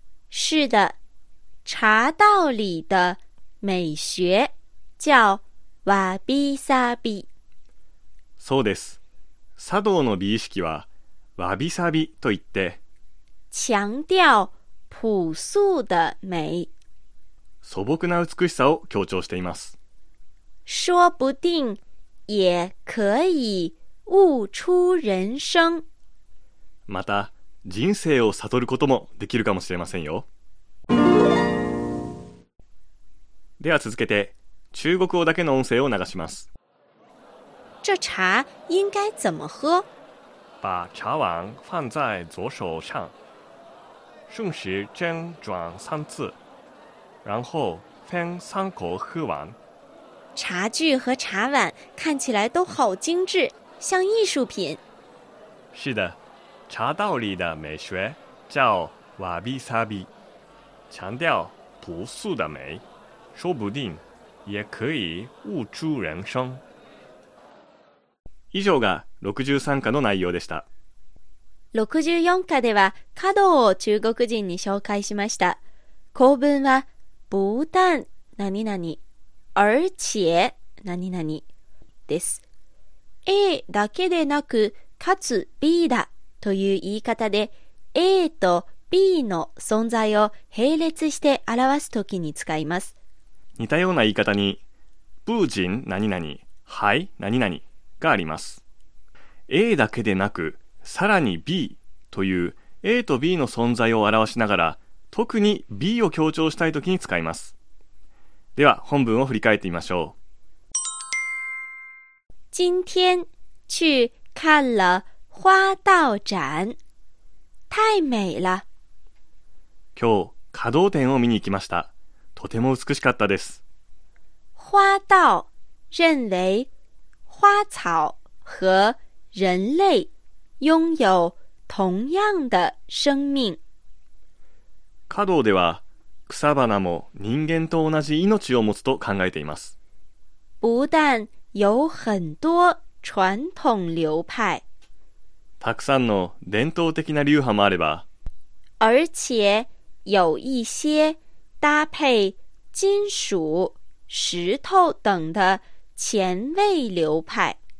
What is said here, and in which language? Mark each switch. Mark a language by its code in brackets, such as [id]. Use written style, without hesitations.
[zh] 是的，茶道里的美学叫わびさび。 [ja] そうです。茶道の美意識はわびさびと言って、 [zh] 強調朴素的美。 [ja] 素朴な美しさを強調しています。 [zh] 说不定也可以悟出人生。 [ja] また人生を悟ることもできるかもしれませんよ。では続けて中国語だけの音声を流します。 [zh] 这茶应该怎么喝？把茶碗放在左手上，顺时针转三次，然后分三口喝完。茶具和茶碗看起来都好精致，像艺术品。是的，茶道里的美学叫瓦比萨比，强调朴素的美，说不定也可以悟出人生。 [ja] 以上が63課の内容でした。 64課では華道を中国人に紹介しました。構文は不但何々而且何々です。 A だけでなく、かつ B だという言い方で、A と B の存在を並列して表すときに使います。似たような言い方に、不人何々、はい何々があります。 A だけでなく、さらに B という A と B の存在を表しながら、特に B を強調したいときに使います。では本文を振り返ってみましょう。 [zh] 今天去看了花道展，太美了。 [ja] 今日華道展を見に行きました。とても美しかったです。 [zh] 花道认为花草和人类拥有同样的生命。 [ja] 華道では草花も人間と同じ命を持つと考えています。 [zh] 不但有很多传统流派。 [ja] たくさんの伝統的な流派もあれば、 [zh] 而且有一些搭配金属、石头等的前卫流派。